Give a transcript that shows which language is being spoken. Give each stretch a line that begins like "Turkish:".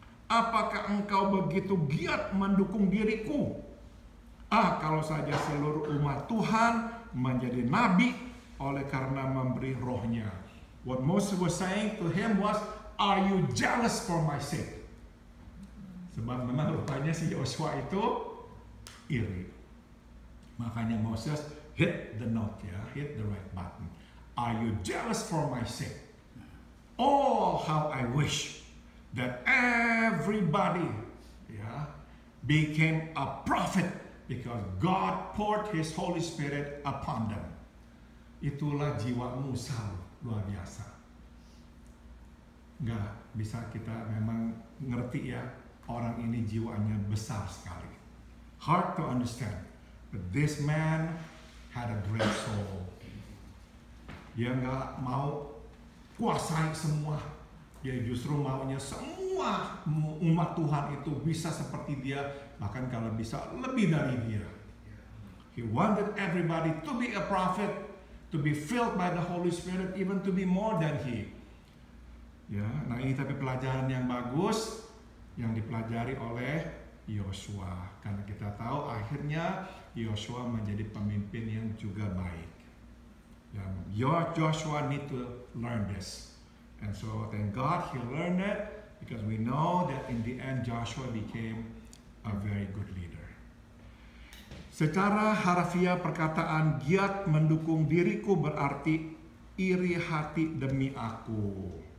Indonesian: Apakah engkau begitu giat mendukung diriku? Ah, kalau saja seluruh umat Tuhan menjadi nabi oleh karena memberi rohnya.
English: What Moses was saying to him was, are you jealous for my sake?
Indonesian: Sebab memang rupanya si Yosua itu iri. Makanya
English: Moses hit the note, ya, hit the right button. Are you jealous for my sake? Oh, how I wish that everybody, yeah, became a prophet because God poured his Holy Spirit upon them.
Indonesian: Itulah jiwa Musa, luar biasa. Enggak bisa kita memang ngerti ya, orang ini jiwanya besar sekali.
English: Hard to understand, but this man had a great soul.
Indonesian: Dia enggak mau kuasai semua, dia justru maunya semua umat Tuhan itu bisa seperti dia, bahkan kalau bisa lebih dari dia.
English: He wanted everybody to be a prophet, to be filled by the Holy Spirit, even to be more than he.
Indonesian: Ya, nah ini tapi pelajaran yang bagus yang dipelajari oleh Yosua, karena kita tahu akhirnya Yosua menjadi pemimpin yang juga baik.
English: Ya, Joshua need to learn this. And so thank God he learned it, because we know that in the end Joshua became a very good leader.
Indonesian: Secara harfiah perkataan giat mendukung diriku berarti iri hati demi aku.